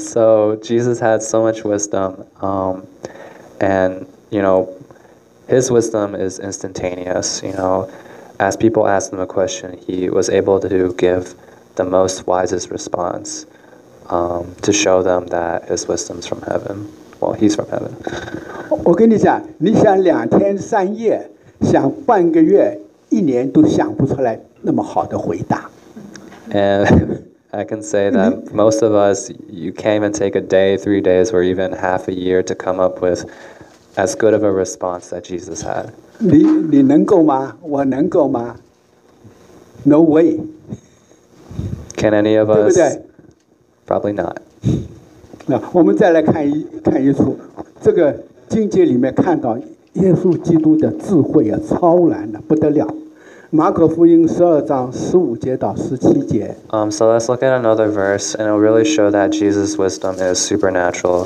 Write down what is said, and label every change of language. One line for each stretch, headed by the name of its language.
English: So Jesus had so much wisdom, and you know, his wisdom is instantaneous. You know, as people asked him a question, he was able to give the most wisest response to show them that his wisdom is from heaven. Well, he's from heaven.
Chinese: 我跟你讲，你想两天三夜，想半个月、一年都想不出来那么好的回答。
English: And I can say that most of us, you can't even take a day, 3 days, or even half a year to come up with as good of a response that Jesus had.
Chinese: 你能够吗？我能够吗？
English: No way. Can any of us?
Chinese: 对不对？
English: Probably not.
Chinese: 那我们再来看一看一处，这个经节里面看到耶稣基督的智慧啊，超然的不得了。马可福音十二章十五节到十七节。
English: So let's look at another verse, and it'll really show that Jesus' wisdom is supernatural.